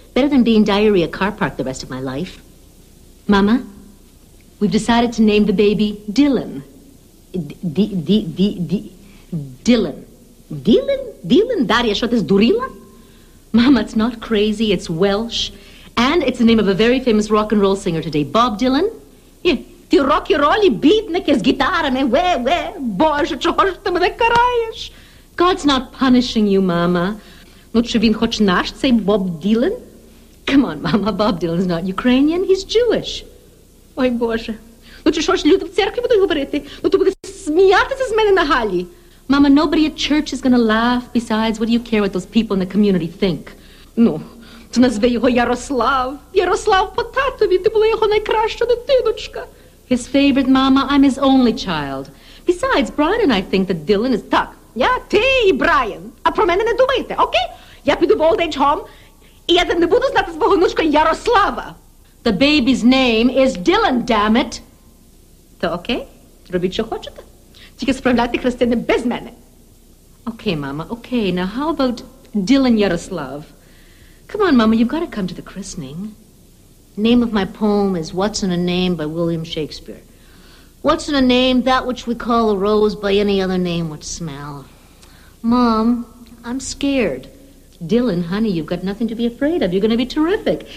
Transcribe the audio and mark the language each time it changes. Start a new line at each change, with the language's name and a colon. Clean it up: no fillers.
English: Better than being Diarrhea Karpark the rest of my life. Mama, we've decided to name the baby Dylan. Dylan. Dylan? Dylan? Daria,
Ukrainian: що ти здурила?
English: Mama, it's not crazy. It's Welsh. And it's the name of a very famous rock and roll singer today. Bob Dylan? Yeah.
Ukrainian: Ті рок-і-ролі, бідники з гітарами. Ве-ве, боже, чого ж ти мене караєш?
English: God's not punishing you, mama.
Ukrainian: Ну, чи він хоч наш, цей Боб Ділан?
English: Come on, mama, Bob Dylan's not Ukrainian, he's Jewish.
Ukrainian: Ой, боже. Ну, чи що ж люди в церкві будуть говорити? Ну, ти будеш сміятися з мене на галі?
English: Mama, nobody at church is gonna laugh. Besides, what do you care what those people in the community think?
Ukrainian: Ну, то назве його Ярослав. Ярослав по татові, ти була його найкраща дитиночка.
English: His favorite mama, I'm his only child. Besides, Brian and I think that Dylan is...
Ukrainian: Так, я, ти і Брайан. А про мене не думайте, окей? Okay? Я піду в
English: old age home,
Ukrainian: і я не буду знати свого внучка Ярослава.
English: The baby's name is Dylan, damn it. То окей, okay?
Ukrainian: Робіть, що хочете. Тільки справляйте хрестини без мене. Окей, мама, окей.
English: Now, how about Dylan Ярослав? Come on, Mama, you've got to come to the christening. Name of my poem is What's in a Name by William Shakespeare. What's in a name, that which we call a rose by any other name would smell. Mom, I'm scared. Dylan, honey, you've got nothing to be afraid of. You're going to be terrific.